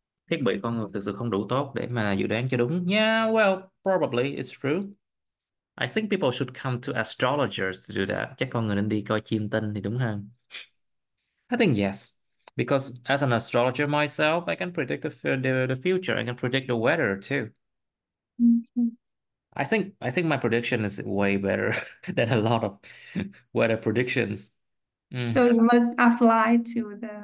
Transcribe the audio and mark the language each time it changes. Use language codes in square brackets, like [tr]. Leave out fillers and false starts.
[vi] Thiết bị con người thực sự không đủ tốt để mà dự đoán cho đúng. [en] Yeah, well, probably it's true. I think people should come to astrologers to do that. [vi] Chắc con người nên đi coi chiêm tinh thì đúng hơn. [en] I think yes. Because as an astrologer myself, I can predict the future. I can predict the weather too. I think my prediction is way better than a lot of weather predictions. So you must apply to